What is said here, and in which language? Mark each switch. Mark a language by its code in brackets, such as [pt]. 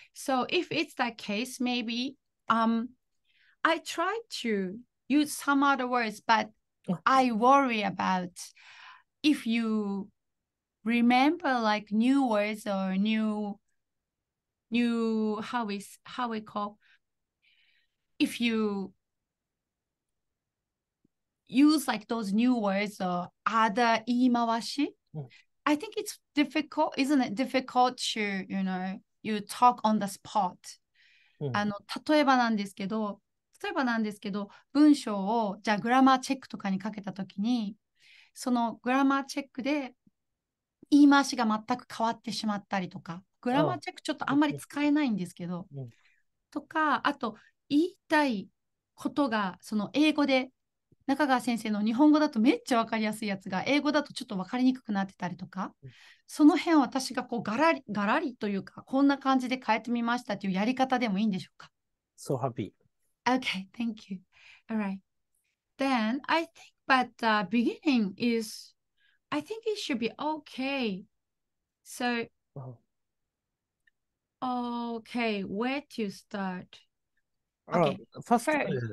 [en] So if it's that case, maybe I try to use some other words, but I worry about if you remember like new words or new how we call if you use like those new words or other 言い回し, I think it's difficult, isn't it? Difficult to, you talk on the spot. [ja] 例えばなんですけど、文章をじゃあグラマーチェックとかにかけたときに、そのグラマーチェックで言い回しが全く変わってしまったりとか、グラマーチェックちょっとあんまり使えないんですけど、とか、あと言いたいことが、その英語で、中川先生の日本語だとめっちゃ分かりやすいやつが、英語だとちょっと分かりにくくなってたりとか、その辺私がこうガラリというか、こんな感じで変えてみましたというやり方でもいいんでしょうか。 [en] So happy. Okay, thank you. All right. Then I think but the beginning is I think it should be okay. So okay, where to start? Okay. First, First.